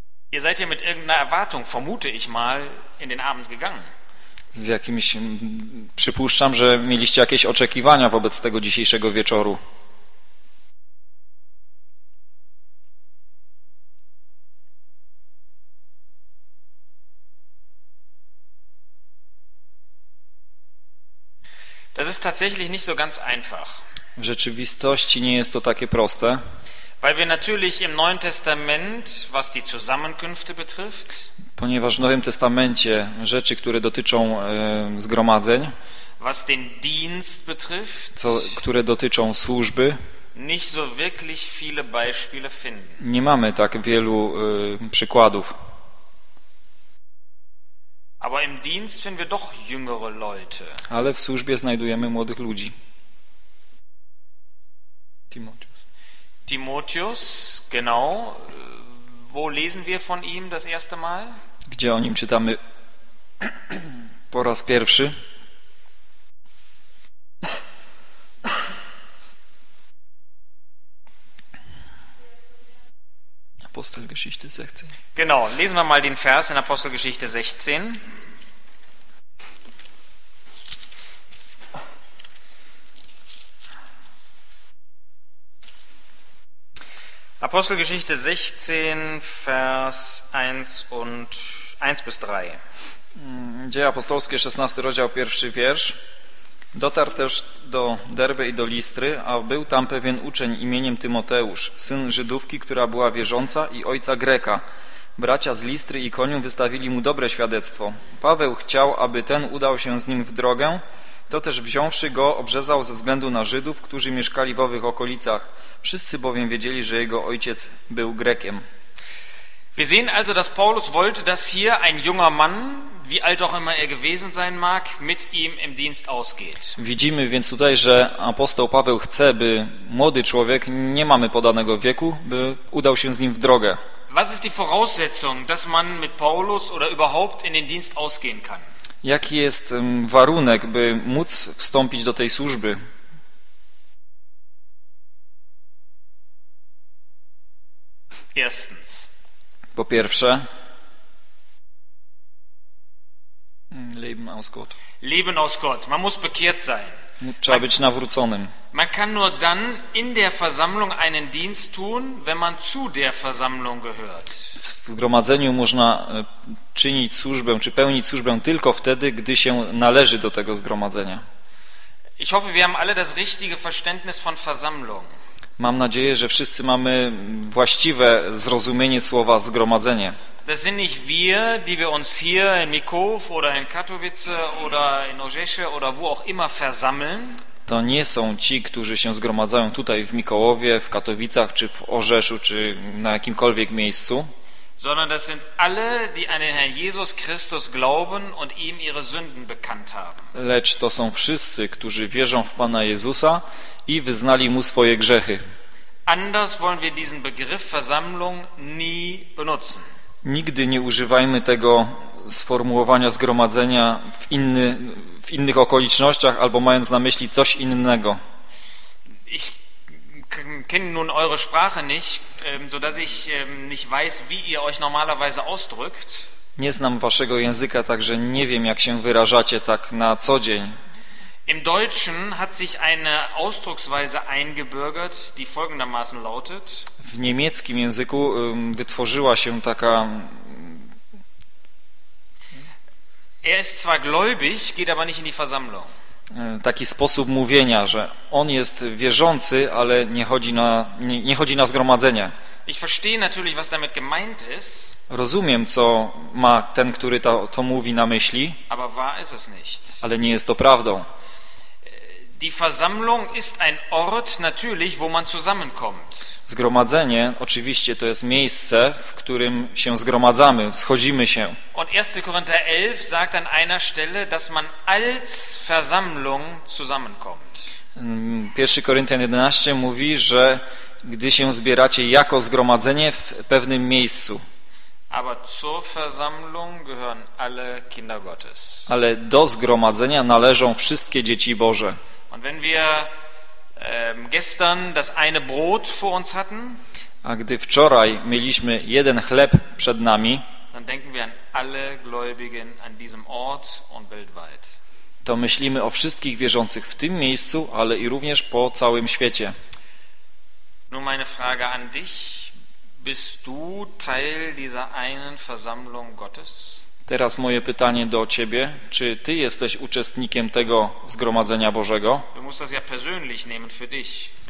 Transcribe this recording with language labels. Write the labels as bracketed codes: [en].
[de] Ihr seid ja mit irgendeiner Erwartung, vermute ich mal, in den Abend gegangen. [pl] Z jakimś, przypuszczam, że mieliście jakieś oczekiwania wobec tego dzisiejszego wieczoru. [de] Das ist tatsächlich nicht so ganz einfach. [pl] W rzeczywistości nie jest to takie proste. [de] Weil wir natürlich im Neuen Testament, was die Zusammenkünfte betrifft, [pl] ponieważ w Nowym Testamencie rzeczy, które dotyczą zgromadzeń, [de] was den Dienst betrifft, [pl] które dotyczą służby, [de] nicht so wirklich viele Beispiele finden. [pl] Nie mamy tak wielu przykładów. [de] Aber im Dienst finden wir doch jüngere Leute. [pl] Ale w służbie znajdujemy młodych ludzi. [de] Timotheus. Timotheus, genau. Wo lesen wir von ihm das erste Mal? [pl] Gdzie o nim czytamy po raz pierwszy? [de] Apostelgeschichte 16. Genau, lesen wir mal den Vers in Apostelgeschichte 16. Apostelgeschichte 16, Vers 1 und 1 bis 3. [pl] Dzieje apostolskie, 16 rozdział, pierwszy wiersz. Dotarł też do Derby i do Listry, a był tam pewien uczeń imieniem Tymoteusz, syn Żydówki, która była wierząca i ojca Greka. Bracia z Listry i Koniu wystawili mu dobre świadectwo. Paweł chciał, aby ten udał się z nim w drogę, toteż wziąwszy go, obrzezał ze względu na Żydów, którzy mieszkali w owych okolicach. Wszyscy bowiem wiedzieli, że jego ojciec był Grekiem. [de] Wir sehen also, dass Paulus wollte, dass hier ein junger Mann, wie alt auch immer er gewesen sein mag, mit ihm im Dienst ausgeht. [pl] Widzimy więc tutaj, że apostoł Paweł chce, by młody człowiek, nie mamy podanego wieku, by udał się z nim w drogę. [de] Was ist die Voraussetzung, dass man mit Paulus oder überhaupt in den Dienst ausgehen kann? [pl] Jaki jest warunek, by móc wstąpić do tej służby? [de] Erstens. [pl] Po pierwsze. [de] Leben aus Gott. Leben aus Gott. Man muss bekehrt sein. [pl] Trzeba być nawróconym. [de] Man kann nur dann in der Versammlung einen Dienst tun, wenn man zu der Versammlung gehört. [pl] W zgromadzeniu można czynić służbę, czy pełnić służbę tylko wtedy, gdy się należy do tego zgromadzenia. [de] Ich hoffe, wir haben alle das richtige Verständnis von Versammlung. [pl] Mam nadzieję, że wszyscy mamy właściwe zrozumienie słowa zgromadzenie. [de] Das sind nicht wir, die wir uns hier in Mikow oder in Katowice oder in Ożesze oder wo auch immer versammeln. [pl] To nie są ci, którzy się zgromadzają tutaj w Mikołowie, w Katowicach, czy w Orzeszu, czy na jakimkolwiek miejscu. [de] Sondern das sind alle, die an den Herrn Jesus Christus glauben und ihm ihre Sünden bekannt haben. [pl] Lecz to są wszyscy, którzy wierzą w Pana Jezusa i wyznali mu swoje grzechy. [de] Anders wollen wir diesen Begriff Versammlung nie benutzen. [pl] Nigdy nie używajmy tego sformułowania zgromadzenia w innych okolicznościach albo mając na myśli coś innego. [de] Ich kenne nun eure Sprache nicht, so dass ich nicht weiß, wie ihr euch normalerweise ausdrückt. [pl] Nie znam waszego języka, także nie wiem, jak się wyrażacie tak na co dzień. [de] Im Deutschen hat sich eine Ausdrucksweise eingebürgert, die folgendermaßen lautet. [pl] W niemieckim języku wytworzyła się taka. [de] Er ist zwar gläubig, geht aber nicht in die Versammlung. [pl] Taki sposób mówienia, że on jest wierzący, ale nie chodzi na nie chodzi na zgromadzenie. [de] Ich verstehe natürlich, was damit gemeint ist. [pl] Rozumiem, co ma ten, który to mówi na myśli. [de] Aber wahr ist es nicht. [pl] Ale nie jest to prawdą. [de] Die Versammlung ist ein Ort natürlich, wo man zusammenkommt. [pl] Zgromadzenie, oczywiście, to jest miejsce, w którym się zgromadzamy, schodzimy się. [de] Und 1. Korinther 11 sagt an einer Stelle, dass man als Versammlung zusammenkommt. [pl] 1. Korinther 11 mówi, że gdy się zbieracie jako zgromadzenie w pewnym miejscu. [de] Aber zur Versammlung gehören alle Kinder Gottes. [pl] Ale do zgromadzenia należą wszystkie dzieci Boże. [de] Und wenn wir gestern das eine Brot vor uns hatten, [pl] a gdy wczoraj mieliśmy jeden chleb przed nami, [de] dann denken wir an alle Gläubigen an diesem Ort und weltweit. [pl] To myślimy o wszystkich wierzących w tym miejscu, ale i również po całym świecie. [de] Nur meine Frage an dich, bist du Teil dieser einen Versammlung Gottes? [pl] Teraz moje pytanie do ciebie, czy ty jesteś uczestnikiem tego zgromadzenia Bożego? [de] Du musst das ja persönlich nehmen für dich.